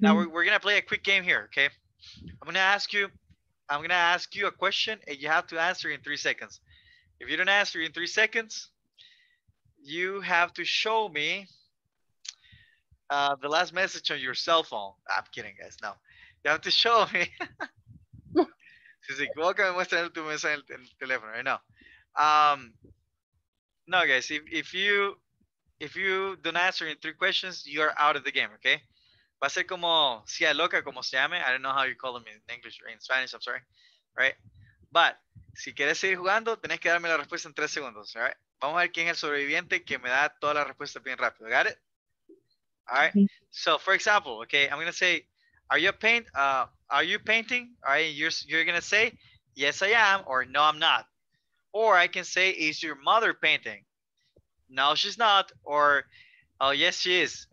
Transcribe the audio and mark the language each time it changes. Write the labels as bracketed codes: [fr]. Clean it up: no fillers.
[en] Now we're gonna play a quick game here, okay? I'm gonna ask you a question and you have to answer in 3 seconds. If you don't answer in 3 seconds, you have to show me the last message on your cell phone. I'm kidding, guys. No, you have to show me. [es] Welcome, muestra tu mensaje en el teléfono [en] right now. No, guys, if you don't answer in 3 questions, you're out of the game, okay? [es] Va a ser como, si a loca, como se llame. [en] I don't know how you call them in English or in Spanish, I'm sorry, right? [es] But, si quieres seguir jugando, tenés que darme la respuesta en 3 segundos, [en] all right? [es] Vamos a ver quién es el sobreviviente que me da toda la respuesta bien rápido, [en] got it? All right, so for example, okay, I'm gonna say, are you painting? All right, you're gonna say, yes, I am, or no, I'm not. Or I can say, is your mother painting? No, she's not, or oh, yes, she is.